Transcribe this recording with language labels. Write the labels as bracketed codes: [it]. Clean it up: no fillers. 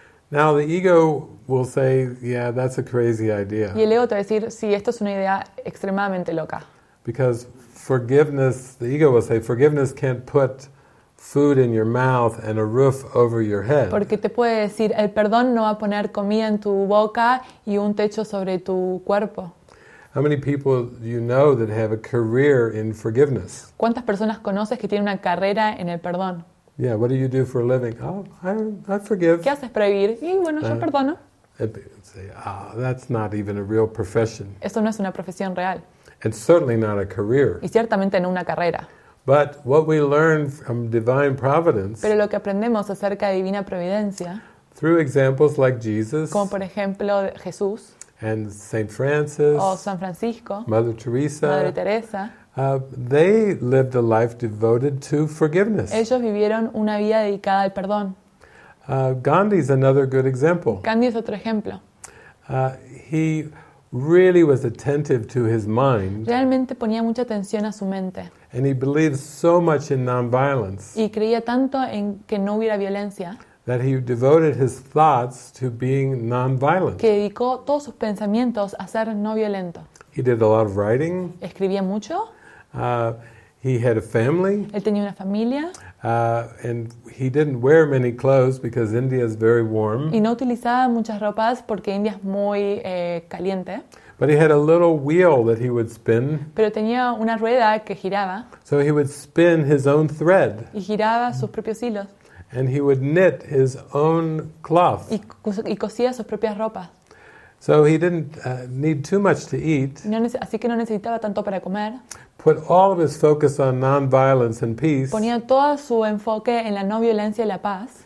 [en] Now the ego will say, "Yeah, that's a crazy idea." [es] Y el ego te va a decir, "Sí, esto es una idea extremadamente loca." [en] Because forgiveness, the ego will say, forgiveness can't put food in your mouth and a roof over your head. [es] Porque te puede decir, el perdón no va a poner comida en tu boca y un techo sobre tu cuerpo. [en] How many people do you know that have a career in forgiveness? [es] ¿Cuántas personas conoces que tienen una carrera en el perdón? [en] Yeah, what do you do for a living? Oh, I forgive. [es] ¿Qué haces para vivir? Y bueno, yo perdono. [en] Say, that's not even a real profession. [es] Eso no es una profesión real. [en] And certainly not a career. [es] Y ciertamente no una carrera. [en] But what we learn from divine providence. [es] Pero lo que aprendemos acerca de divina providencia. [en] Through examples like Jesus. [es] Como por ejemplo Jesús. [en] And Saint Francis. [es] O San Francisco. [en] Mother Teresa. [es] Madre Teresa. [en] They lived a life devoted to forgiveness. [es] Ellos vivieron una vida dedicada al perdón. [en] Gandhi is another good example. [es] Gandhi es otro ejemplo. [en] He really was attentive to his mind. [es] Realmente ponía mucha atención a su mente. [en] And he believed so much in nonviolence. [es] Y creía tanto en que no hubiera violencia. [en] That he devoted his thoughts to being nonviolent. [es] Que dedicó todos sus pensamientos a ser no violento. [en] He did a lot of writing. [es] Escribía mucho. [en] He had a family. [es] Él tenía una familia. [en] And he didn't wear many clothes because India is very warm. [es] Y no utilizaba muchas ropas porque India es muy caliente. [en] But he had a little wheel that he would spin. [es] Pero tenía una rueda que giraba. [en] So he would spin his own thread. [es] Y giraba sus propios hilos. [en] And he would knit his own cloth. [es] Y cosía sus propias ropas. [en] So he didn't need too much to eat. [es] Así que no necesitaba tanto para comer. [en] Put all of his focus on non-violence and peace. [es] Ponía todo su enfoque en la no violencia y la paz.